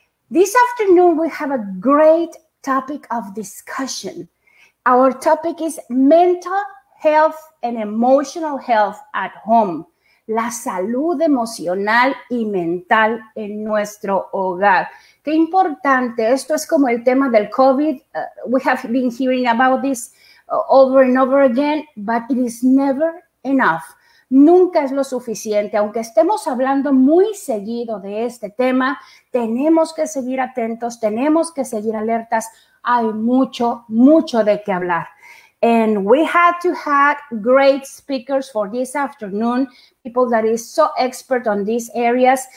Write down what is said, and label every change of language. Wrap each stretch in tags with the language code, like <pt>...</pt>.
<en>This afternoon, we have a great topic of discussion. Our topic is mental health and emotional health at home.</en> <es>La salud emocional y mental en nuestro hogar. Qué importante. Esto es como el tema del COVID.</es> <en>We have been hearing about this over and over again, but it is never enough.</en> <es>Nunca es lo suficiente. Aunque estemos hablando muy seguido de este tema, tenemos que seguir atentos, tenemos que seguir alertas. Hay mucho, mucho de qué hablar.</es> <en>And we had to have great speakers for this afternoon, people that is so expert on these areas.</en>